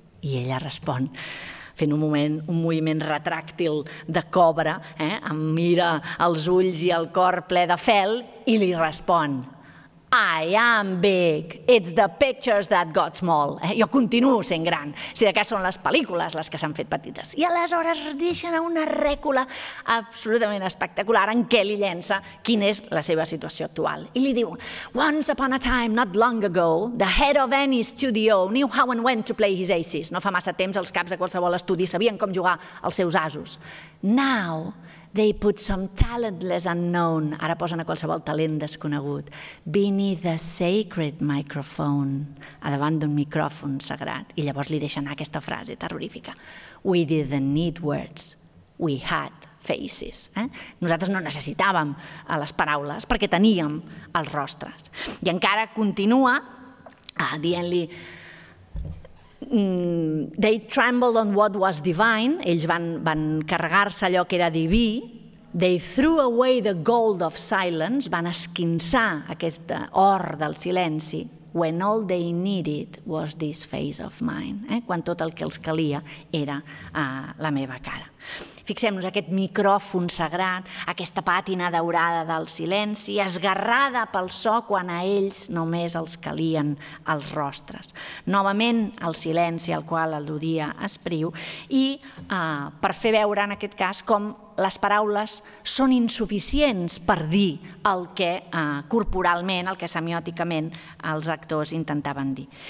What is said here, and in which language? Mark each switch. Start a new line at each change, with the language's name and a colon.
Catalan: I ella respon, fent un moment un moviment retràctil de cobra, em mira els ulls i el cor ple de fel, i li respon:
English: "I am big. It's the pictures that got small."
Catalan: Jo continuo sent gran. Si de cas són les pel·lícules les que s'han fet petites. I aleshores deixen una rècula absolutament espectacular en què li llença quina és la seva situació actual. I li diu:
English: "Once upon a time, not long ago, the head of any studio knew how and when to play his aces."
Catalan: No fa massa temps, els caps de qualsevol estudi sabien com jugar els seus asos.
English: "Now they put some talentless unknown,"
Catalan: ara posen a qualsevol talent desconegut,
English: "beneath a sacred microphone,"
Catalan: a davant d'un micròfon sagrat, i llavors li deixen anar aquesta frase terrorífica:
English: "We didn't need words, we had faces."
Catalan: Nosaltres no necessitàvem les paraules perquè teníem els rostres. I encara continua dient-li:
English: "They trembled on what was divine,"
Catalan: ells van carregar-se allò que era diví,
English: "they threw away the gold of silence,"
Catalan: van esquinçar aquest or del silenci,
English: "when all they needed was this face of mine,"
Catalan: quan tot el que els calia era la meva cara. Fixem-nos, aquest micròfon sagrat, aquesta pàtina daurada del silenci, esgarrada pel so quan a ells només els calien els rostres. Novament, el silenci al qual al·ludia Espriu, i per fer veure en aquest cas com les paraules són insuficients per dir el que corporalment, el que semiòticament els actors intentaven dir.